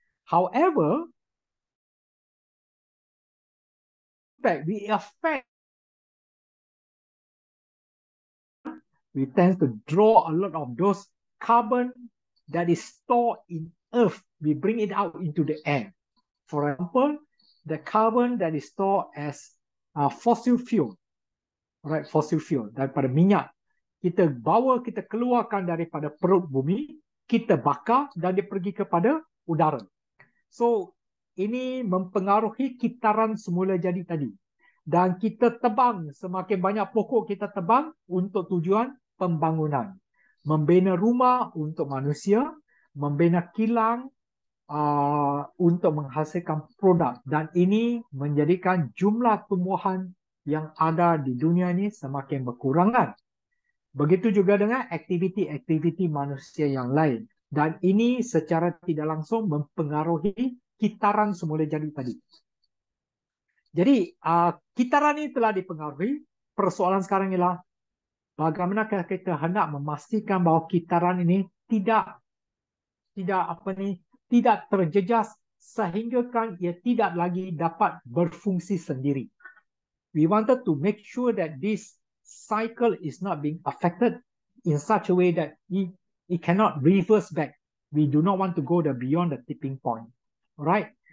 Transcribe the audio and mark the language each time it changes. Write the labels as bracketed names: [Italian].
[English] However, we tend to draw a lot of those carbon that is stored in earth. We bring it out into the air. For example, the carbon that is stored as fossil fuel, right? [Malay] Fossil fuel daripada minyak kita bawa, kita keluarkan daripada perut bumi, kita bakar dan dia pergi kepada udara. So ini mempengaruhi kitaran semula jadi tadi. Dan kita tebang, semakin banyak pokok kita tebang untuk tujuan pembangunan, membina rumah untuk manusia, membina kilang untuk menghasilkan produk, dan ini menjadikan jumlah tumbuhan yang ada di dunia ini semakin berkurangan. Begitu juga dengan aktiviti-aktiviti manusia yang lain, dan ini secara tidak langsung mempengaruhi kitaran semula jadi tadi. Jadi kitaran ini telah dipengaruhi. Persoalan sekarang ialah bagaimana kita hendak memastikan bahawa kitaran ini tidak terjejas sehinggakan ia tidak lagi dapat berfungsi sendiri. [English] We wanted to make sure that this cycle is not being affected in such a way that it cannot reverse back. We do not want to go the beyond the tipping point. Right?